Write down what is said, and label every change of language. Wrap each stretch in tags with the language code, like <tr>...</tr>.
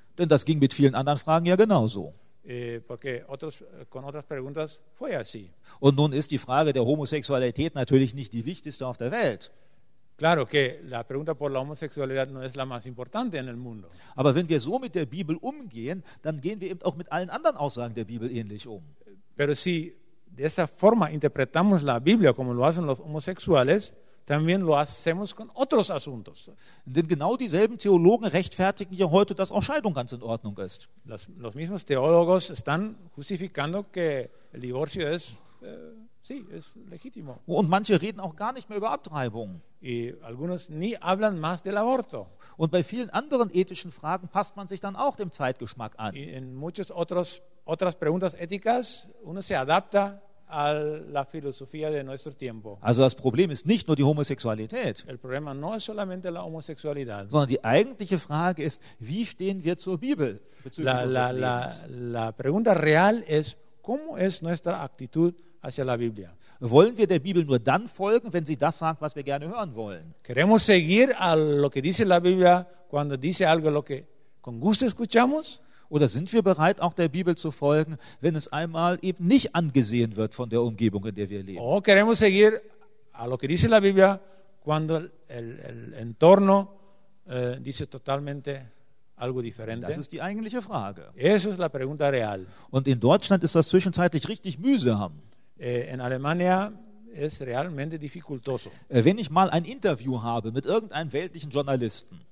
<de>Denn das ging mit vielen anderen Fragen ja genauso.</de> <es>Porque otros, con otras preguntas fue así.</es> <de>Und nun ist die Frage der Homosexualität natürlich nicht die wichtigste auf der Welt.</de> <es>Claro que la pregunta por la homosexualidad no es la más importante en el mundo.</es> <de>Aber wenn wir so mit der Bibel umgehen, dann gehen wir eben auch mit allen anderen Aussagen der Bibel ähnlich um.</de> <es>Pero si de esa forma interpretamos la Biblia como lo hacen los homosexuales, también lo hacemos con otros asuntos.</es> <de>Denn genau dieselben Theologen rechtfertigen ja heute, dass auch Scheidung ganz in Ordnung ist.</de> <es>Los mismos teólogos están justificando que el divorcio es sí, es legítimo.</es> <de>Und manche reden auch gar nicht mehr über Abtreibung.</de> <es>Y algunos ni hablan más del aborto.</es> <de>Und bei vielen anderen ethischen Fragen passt man sich dann auch dem Zeitgeschmack an.</de> <es>Y en muchas otras preguntas éticas uno se adapta a la filosofía de nuestro tiempo.</es> <de>Also das Problem ist nicht nur die Homosexualität.</de> <es>El problema no es solamente la homosexualidad.</es> <de>Sondern die eigentliche Frage ist, wie stehen wir zur Bibel bezüglich unseres Lebens?</de> <es>La pregunta real es, ¿cómo es nuestra actitud hacia la Biblia?</es> <de>Wollen wir der Bibel nur dann folgen, wenn sie das sagt, was wir gerne hören wollen?</de> <es>¿Queremos seguir a lo que dice la Biblia cuando dice algo lo que con gusto escuchamos?</es> <de>Oder sind wir bereit, auch der Bibel zu folgen, wenn es einmal eben nicht angesehen wird von der Umgebung, in der wir leben?</de> <es>¿O queremos seguir a lo que dice la Biblia cuando el entorno dice totalmente algo diferente?</es> <de>Das ist die eigentliche Frage.</de> <es>Eso es la pregunta real.</es> <de>Und in Deutschland ist das zwischenzeitlich richtig mühsam.</de> <es>En Alemania es realmente dificultoso.</es> <de>Wenn ich mal ein Interview habe mit irgendeinem weltlichen Journalisten.</de>